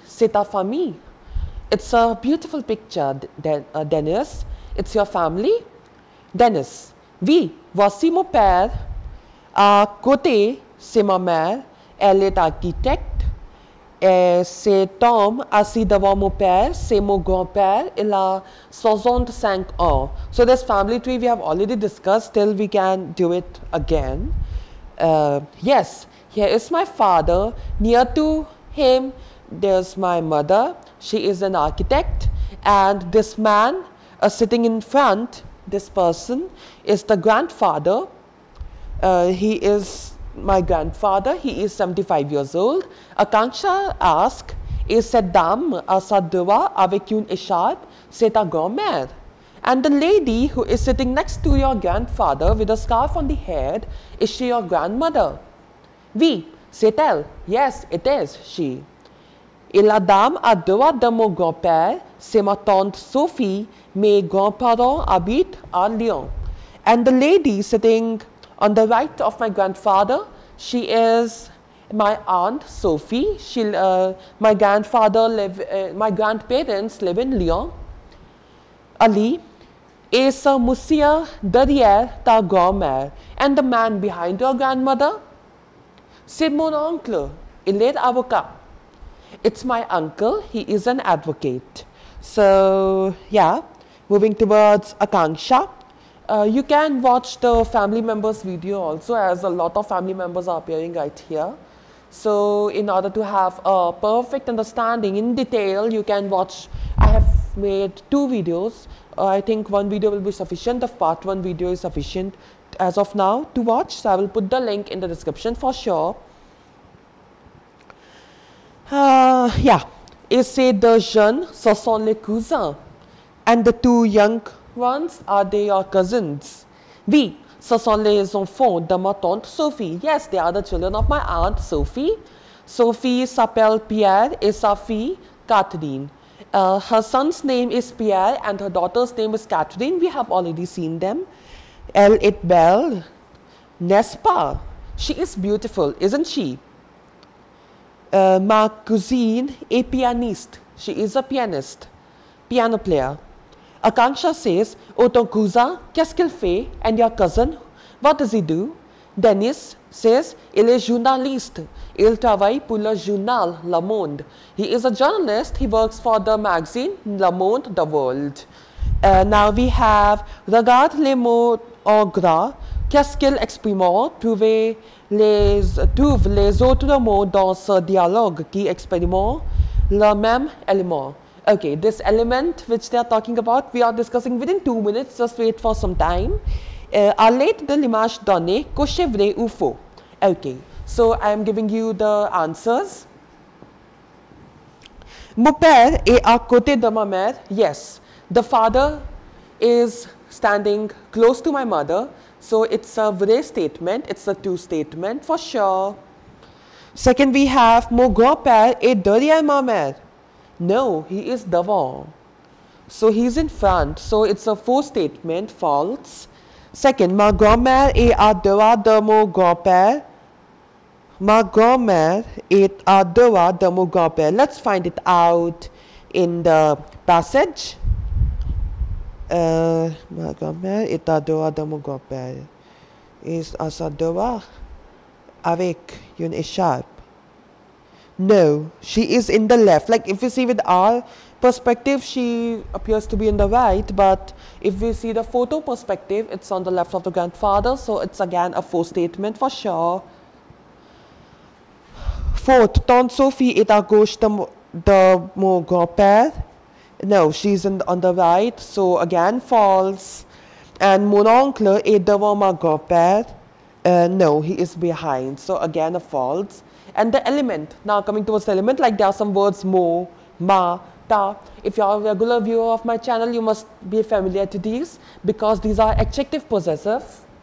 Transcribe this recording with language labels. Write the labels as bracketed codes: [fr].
[fr] C'est ta famille. [en] It's a beautiful picture, Dennis. It's your family. Dennis. [fr] Oui, voici mon père. À côté, c'est ma mère. Elle est architecte. Et cet homme assis devant mon père, c'est mon grand-père. Il a 65 ans. [en] So this family tree we have already discussed. Still, we can do it again. Yes, here is my father. Near to him, there's my mother. She is an architect. And this man sitting in front, this person is the grandfather. He is my grandfather. He is 75 years old. Akanksha asks, [fr] Et cette dame à sa droite avec une écharpe, c'est ta grand-mère. [en] And the lady who is sitting next to your grandfather with a scarf on the head, is she your grandmother? [fr] Oui, c'est elle. [en] Yes, it is she. [fr] Et la dame à droite de mon grand-père, c'est ma tante Sophie. Mes grands-parents habitent à Lyon. [en] And the lady sitting on the right of my grandfather, she is my aunt Sophie. My grandparents live in Lyon. [fr] Ali, et ce monsieur derrière ta grand-mère, [en] and the man behind your grandmother, [fr] c'est mon oncle. Il est avocat. [en] It's my uncle. He is an advocate. So, yeah. Moving towards Akanksha, you can watch the family members video also, as a lot of family members are appearing right here. So in order to have a perfect understanding in detail, you can watch. I have made two videos. I think one video will be sufficient. The part one video is sufficient as of now to watch. So I will put the link in the description for sure. [fr] Yeah, et c'est de jeunes, ce sont les cousins. [en] And the two young ones, are they your cousins? [fr] Oui, ce sont les enfants de ma tante Sophie. [en] Yes, they are the children of my aunt Sophie. [fr] Sophie s'appelle Pierre et sa fille Catherine. [en] Her son's name is Pierre and her daughter's name is Catherine. We have already seen them. [fr] Elle est belle, n'est-ce pas? [en] She is beautiful, isn't she? [fr] Ma cousine est pianiste. [en] She is a pianist, piano player. Akanksha says, oh, [fr] ton cousin, qu'est-ce qu'il fait? [en] And your cousin, what does he do? Dennis says, [fr] il est journaliste. Il travaille pour le journal Le Monde. [en] He is a journalist. He works for the magazine Le Monde, The World. Now we have, [fr] regarde les mots en gras. Qu'est-ce qu'il exprime? Trouve les autres mots dans ce dialogue qui expriment le même élément. [en] Okay, this element which they are talking about, we are discussing within 2 minutes. Just wait for some time. [fr] Allez de l'image donnée, cochez vrai ou faux. [en] Okay, so I am giving you the answers. [fr] Mon père est à côté de ma mère. [en] Yes, the father is standing close to my mother. So it's a vrai statement. It's a true statement for sure. Second, we have [fr] mon grand-père est derrière ma mère. [en] No, he is devant. So he's in front. So it's a faux statement, false. Second, [fr] ma grand-mère est à droite de mon grand-père. Ma grand-mère est à droite de mon grand-père. [en] Let's find it out in the passage. [fr] Ma grand-mère est à droite de mon grand-père. Est à sa droite avec une écharpe. [en] No, she is in the left. Like if you see with R perspective, she appears to be in the right, but if we see the photo perspective, it's on the left of the grandfather, so it's again a faux statement for sure. [fr] Fourth, Tante Sophie est à gauche de mon grand-père. [en] No, she's on the right, so again false. And [fr] mon oncle est devant ma grand-père. [en] No, he is behind, so again a false. And the element, now coming towards the element, like there are some words mo, ma, ta. If you are a regular viewer of my channel, you must be familiar to these because these are adjective possessives.